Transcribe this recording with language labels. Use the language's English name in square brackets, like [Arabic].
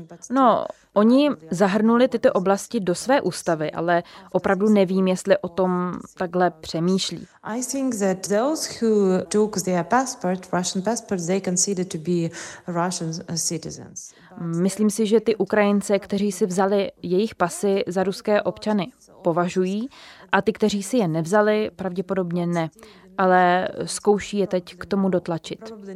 [Czech] No, oni zahrnuli tyto oblasti do své ústavy, ale opravdu nevím, jestli o tom takhle přemýšlí. [English] I think that those who took their passport, Russian passport, they considered to be Russian citizens. [Czech] Myslím si, že ty Ukrajince, kteří si vzali jejich pasy za ruské občany, považují, a ty, kteří si je nevzali, pravděpodobně ne, ale zkouší je teď k tomu dotlačit.